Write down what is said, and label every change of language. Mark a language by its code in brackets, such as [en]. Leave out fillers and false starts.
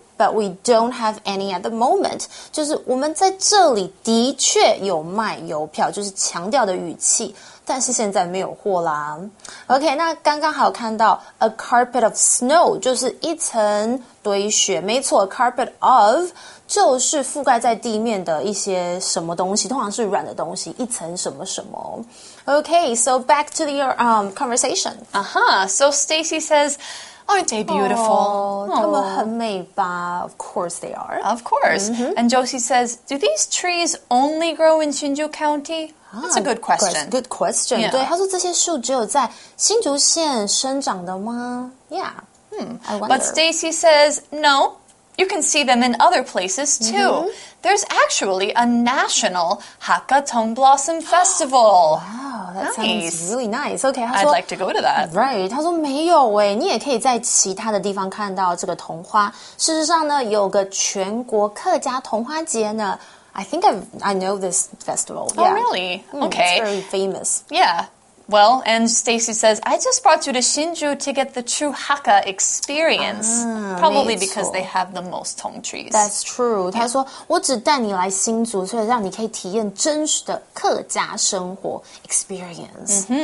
[en] But we don't have any at the moment. [zh] 就是我们在这里的确有卖邮票，就是强调的语气，但是现在没有货啦。 OK, 那刚刚好看到 [en] a carpet of snow, [zh] 就是一层堆雪，没错 ,a carpet of, 就是覆盖在地面的一些什么东西，通常是软的东西，一层什么什么。 [en] OK, so back to your conversation. So Stacy says,Aren't they beautiful? Aww, [zh] 他们很美吧? [en] Of course they are. Of course. Mm-hmm. And Josie says, do these trees only grow in Hsinchu County? That's a good question. Good question. [zh] Yeah. 对,他说这些树只有在新竹县生长的吗? [en] Yeah. I wonder. But Stacy says, no, you can see them in other places too. Mm-hmm. There's actually a national Hakka Tongue Blossom Festival. Wow. That sounds really nice. Okay, I'd like to go to that. [zh] Right, 他说没有耶，你也可以在其他的地方看到这个桐花。事实上呢，有个全国客家桐花节呢。 [en] I think I know this festival. Oh, really? Okay, it's very famous. Yeah. Well, and Stacy says I just brought you to Hsinchu to get the true Hakka experience. Probably because they have the most tong trees. That's true. [zh] 他说我只带你来新竹，所以让你可以体验真实的客家生活 experience.